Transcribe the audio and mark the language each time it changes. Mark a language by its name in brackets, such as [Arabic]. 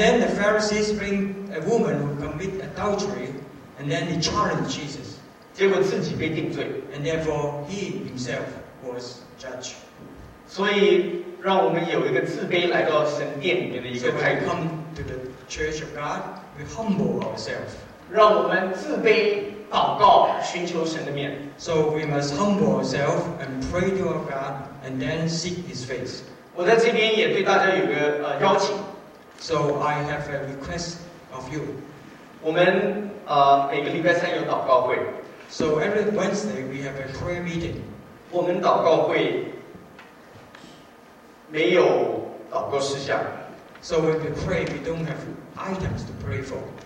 [English] then the Pharisees bring a woman who commit adultery, and then they challenge Jesus. [Chinese] 结果自己被定罪。 [English] And therefore he himself was judged. [Chinese] 所以让我们有一个自卑来到神殿里面的一个态度。 [English] So we come to the church of God, we humble ourselves. [Chinese] 让我们自卑祷告，寻求神的面。 [English] So we must humble ourselves and pray to our God and then seek His face. [Chinese] 我在这边也对大家有个邀请。 [English] So I have a request of you. [Chinese] 我们每个礼拜三有祷告会。 [English] So every Wednesday we have a prayer meeting. [Chinese] 我们祷告会没有祷告事项。 [English] So when we pray, we don't have items to pray for.